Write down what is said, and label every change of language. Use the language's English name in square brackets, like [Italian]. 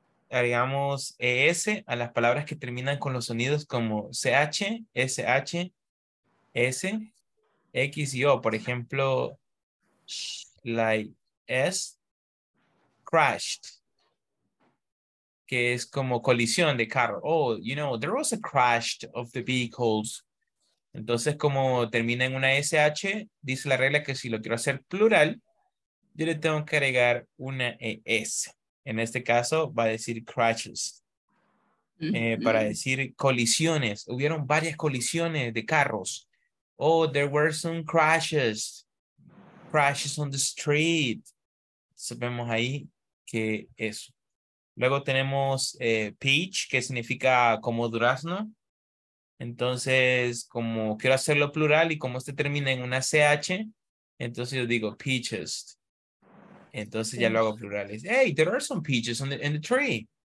[Spanish] Agregamos ES a las palabras que terminan con los sonidos como CH, SH, S, X y O. Por ejemplo, like S, crashed, que es como colisión de carro. [English] Oh, you know, there was a crash of the vehicles. [Spanish] Entonces, como termina en una SH, dice la regla que si lo quiero hacer plural, yo le tengo que agregar una ES. En este caso, va a decir crashes. Para decir colisiones. Hubieron varias colisiones de carros. [English] Oh, there were some crashes. Crashes on the street. [Spanish] Entonces, vemos ahí que es. Luego tenemos peach, que significa como durazno. Entonces, como quiero hacerlo plural y como este termina en una CH, entonces yo digo peaches. Entonces ya lo hago plural. [English] Es, hey, there are some peaches in the tree.